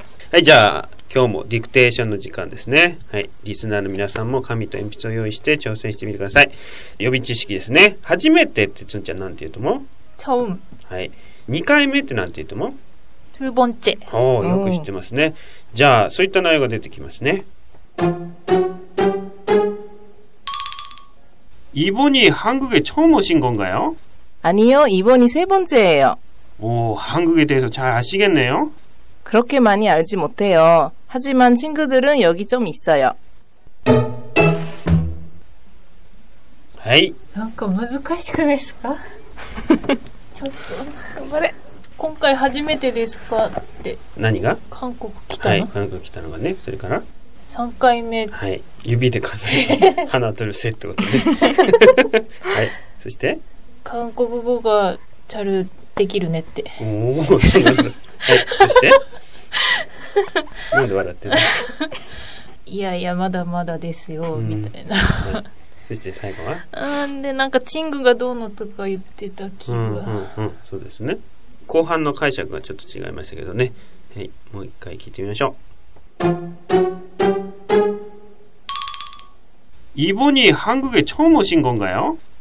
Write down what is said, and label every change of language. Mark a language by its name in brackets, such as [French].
[Japanese] はい、じゃあ今日もディクテーションの時間ですね。はい、リスナーの皆さんも紙と鉛筆を用意して挑戦してみてください。予備知識ですね。初めてってつんちゃんなんて言うとも？ [Korean] 처음。 [Japanese] はい。 2回目ってなんて言うとも？ [Korean] 두번째。 [Japanese] おお、よく知ってますね。じゃあそういった内容が出てきますね。 [Korean] 이번이한국에처음오신건가요？ 아니요，이번이세번째예요。 오，한국에대해서잘아시겠네요。 그렇게많이알지못해요。 하지만친구들은여기좀있어요。 [Japanese] はい。なんか難しくないですか？ちょっと頑張れ。今回初めてですかって。何が？韓国来たの。はい、韓国来たのがね、それから。 3回目。はい。指で数える。鼻取るせってことで。はい。そして韓国語がチャルできるねって。おぉ、そうなんだ。はい。そしてなんで笑ってんの？いやいや、まだまだですよ、みたいな。そして最後は？で、なんかチングがどうのとか言ってた気が。そうですね。後半の解釈がちょっと違いましたけどね。はい。もう一回聞いてみましょう。 [Korean] 이번이한국에처음오신건가요？